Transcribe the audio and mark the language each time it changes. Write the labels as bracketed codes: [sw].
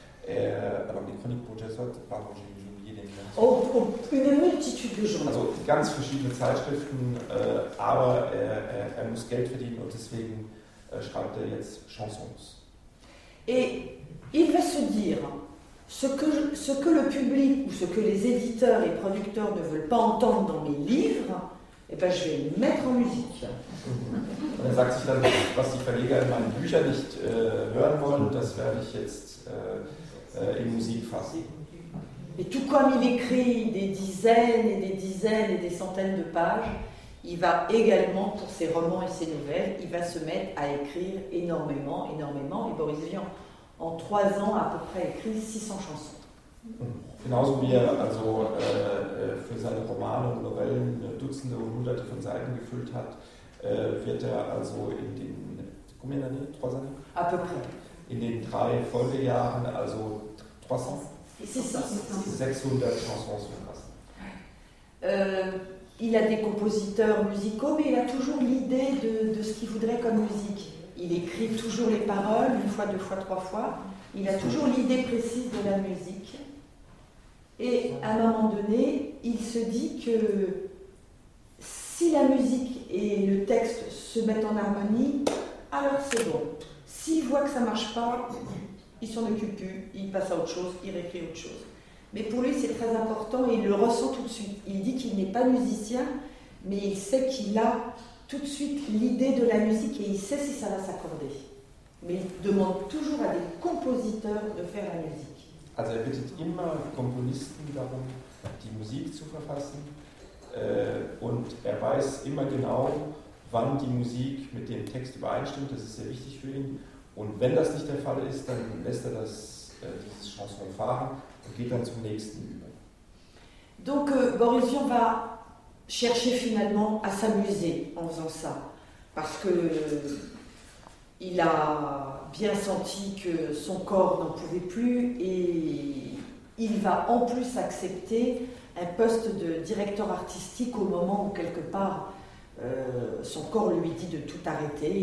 [fr] Alors les chroniques pour Jazz Hot, pardon, j'ai oublié les noms. Oh, une multitude de journaux. [de] Also, ganz verschiedene Zeitschriften, aber er muss Geld verdienen und deswegen schreibt er jetzt Chansons. [fr] Et il va se dire, ce que le public ou ce que les éditeurs et producteurs ne veulent pas entendre dans mes livres, eh ben, je vais le mettre en musique. [de] Und er sagt sich dann, was die Verleger in meinen Büchern nicht hören wollen, das werde ich jetzt in Musik fassen. [fr] Et tout comme il écrit des dizaines et des dizaines et des centaines de pages, il va également, pour ses romans et ses nouvelles, il va se mettre à écrire énormément, énormément. Et Boris Vian, en 3 ans, a à peu près écrit 600 chansons. [de] Genauso wie er also für seine Romane und Novellen Dutzende und Hunderte von Seiten gefüllt hat, wird er also in den, [fr] combien d'années, 3 années? À peu près. [de] In den 3 Folgejahren, also 600 Chansons verfassen. [fr] Il a des compositeurs musicaux, mais il a toujours l'idée de ce qu'il voudrait comme musique. Il écrit toujours les paroles, une fois, deux fois, trois fois. Il a toujours l'idée précise de la musique. Et à un moment donné, il se dit que si la musique et le texte se mettent en harmonie, alors c'est bon. S'il voit que ça ne marche pas, il ne s'en occupe plus, il passe à autre chose, il réécrit autre chose. Mais pour lui, c'est très important et il le ressent tout de suite. Il dit qu'il n'est pas musicien, mais il sait qu'il a tout de suite l'idée de la musique et il sait si ça va s'accorder. Mais il demande toujours à des compositeurs de faire la musique. [de] Also, er bittet immer Komponisten darum, die Musik zu verfassen. Und er weiß immer genau, wann die Musik mit dem Text übereinstimmt. Das ist sehr wichtig für ihn. Und wenn das nicht der Fall ist, dann lässt er das dieses Chanson fahren und geht dann zum nächsten über. [fr] Donc Boris Vian va chercher finalement à s'amuser en faisant ça, parce que il a bien senti que son corps n'en pouvait plus et il va en plus accepter un poste de directeur artistique au moment où quelque part son corps lui dit de tout arrêter.